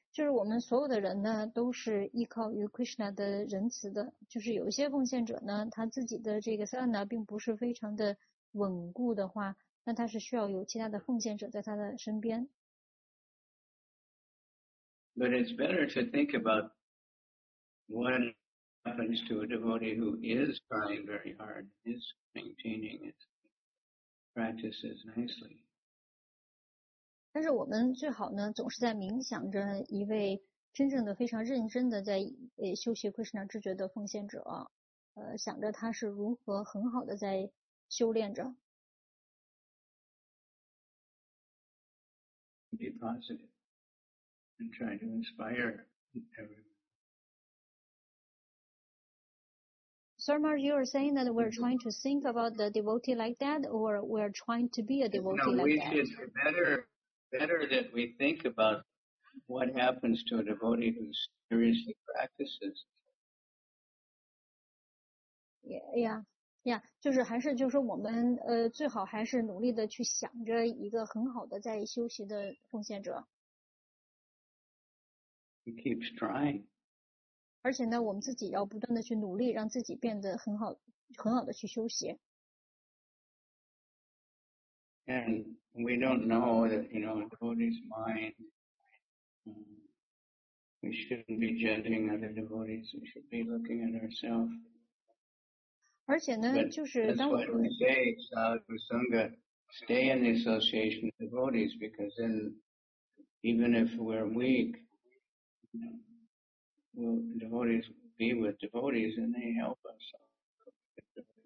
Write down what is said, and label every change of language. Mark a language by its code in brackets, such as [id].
[zh] 就是我们所有的人呢都是依靠于 Krishna 的仁慈的，就是有一些奉献者呢他自己的这个 sadhana 并不是非常的稳固的话，那他是需要有其他的奉献者在他的身边。 [en] But it's better to think about what happens to a devotee who is trying very hard, is maintaining his practices nicely. [zh] 但是我们最好呢总是在冥想着一位真正的非常认真的在修习 Krishna 知觉的奉献者，想着他是如何很好的在修炼着。 [en] Be positive and try to inspire everyone. Sir Mark, you are saying that we're trying to think about the devotee like that, or we're trying to be a devotee like that? No, we should better that we think about what happens to a devotee who seriously practices. Yeah. [zh] 就是还是就是我们最好还是努力的去想着一个很好的在修习的奉献者。 [en] He keeps trying. [zh] 而且呢我们自己要不断的去努力让自己变得很好的去修习。 [en] And we don't know that, you know, a devotee's mind, we shouldn't be judging other devotees, we should be looking at ourselves. [zh] 而且呢就是当我们 [en] That's what we say, Sadhu Sangha, stay in the association of devotees, because then, even if we're weak, you know, will devotees be with devotees and they help us.